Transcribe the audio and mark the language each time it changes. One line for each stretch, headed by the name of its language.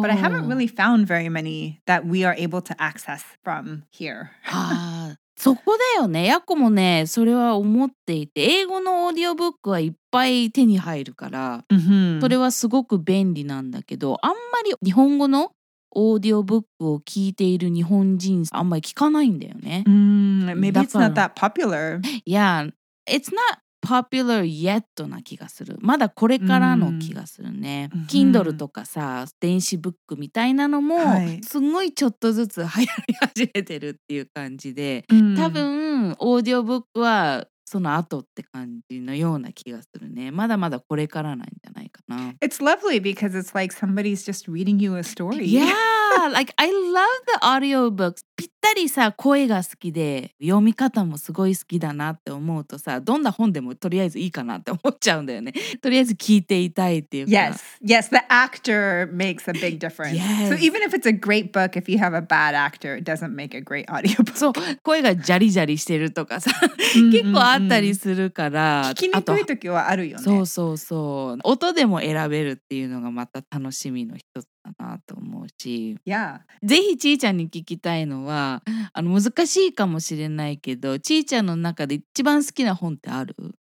English: But I haven't really found very many that we are able to access from here
Japanese: そこだよねやっこもねそれは思っていて英語のオーディオブックはいっぱい手に入るから、
English: mm-hmm.
Japanese: それはすごく便利なんだけどあんまり日本語のオーディオブックを聞いている日本人あんまり聞かないんだよね、
English: mm-hmm. Maybe it's not that popular Yeah, it's not popular yet
Japanese: な気がするまだこれからの気がするね、mm-hmm. Kindle とかさ電子ブックみたいなのも、はい、すごいちょっとずつ流行り始めてるっていう感じで、
English: mm-hmm.
Japanese: 多分オーディオブックはその後って感じのような気がするねまだまだこれからなんじゃないかな
English: It's lovely because it's like somebody's just reading you a story Yeah, like I love the audiobooks
Japanese: ぴったりさ声が好きで読み方もすごい好きだなって思うとさどんな本でもとりあえずいいかなって思っちゃうんだよねとりあえず聞いていたいっていうか
English: Yes, yes, the actor makes a big difference Yes So even if it's a great book, if you have a bad actor, it doesn't make a great audiobook
Japanese: そう、声がジャリジャリしてるとかさ結構あったりするから、うん、聞きにくい時はあるよねそうそうそう音でも選べるっていうのがまた楽しみの一つだなと思うし、
English: yeah.
Japanese: ぜひちーちゃんに聞きたいのはあの難しいかもしれないけどちーちゃんの中で一番好きな本ってある